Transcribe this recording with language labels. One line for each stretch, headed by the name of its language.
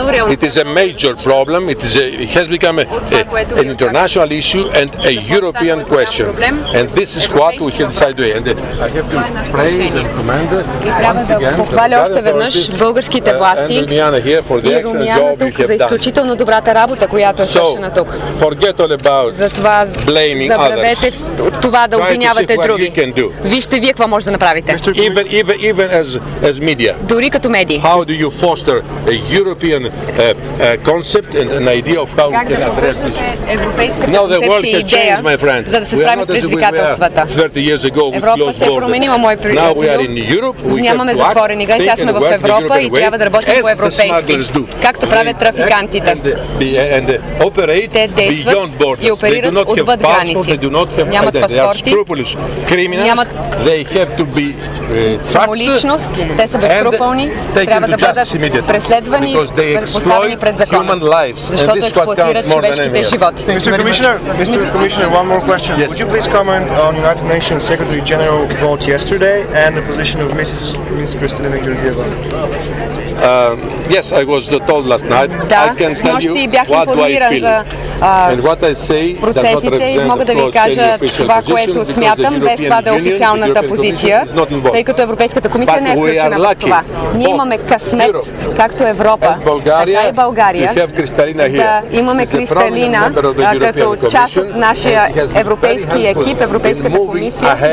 English: It is a major problem, it has become an international issue and a European question. And this is what we have decided today. And I have to praise and commend once again the Bulgarian authorities and Romiana here for the excellent job we have done.
Bulgarian: За изключително добрата работа, която е свършена тук.
English: Forget all about blaming others.
Bulgarian: Забравете това да обвинявате други. Вижте вие какво може да направите.
English: Even as media.
Bulgarian: Дори като медии.
English: How do you foster a European concept and an idea of how we can address this? Now the world has changed, my friend.
Bulgarian: За да се справим с предизвикателствата.
English: 30 years ago we closed borders. Now we are in Europe.
Bulgarian: Нямаме затворени граници, сме в Европа и трябва да работим по европейски. Както правят трафикантите.
English: And operate beyond borders. They do not have passports. They do not have identity. They are scrupulous criminals. They have to be
Bulgarian: самоличност, те са безкрупулни, трябва да бъдат преследвани, поставени пред закон, защото експлоатират човешките животи.
English: Mr. Commissioner, one more question. Yes. Would you please comment on United Nations Secretary General vote yesterday and the position of Ms. Kristalina Georgieva? Yes, I was told last night.
Bulgarian: Да,
English: I can tell you what do I feel. And what I say does not represent,
Bulgarian: мога да ви кажа това, което смятам, без това да е официалната позиция, тъй като Европейската комисия не е включена в това. Ние имаме късмет, както Европа, така и България, да имаме Кристалина като част от нашия европейски екип, Европейската комисия.